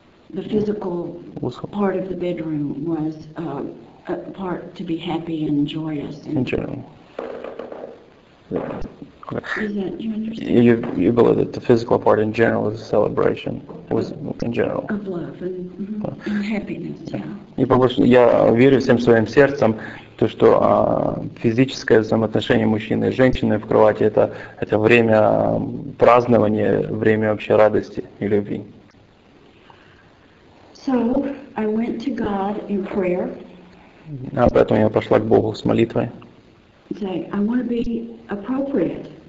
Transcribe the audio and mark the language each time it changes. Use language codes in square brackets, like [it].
[en] The physical part of the bedroom was a part to be happy and joyous. In general. Is that, you understand? You believe that the physical part in general is a celebration, was in general. Of love and happiness, yeah. [ru] И побольше, я верю всем своим сердцем, то, что физическое взаимоотношение мужчины и женщины в кровати – это время празднования, время вообще радости и любви. [en] So, I went to God in prayer. [ru] А потом я пошла к Богу с молитвой. [en] Say, I want to be appropriate.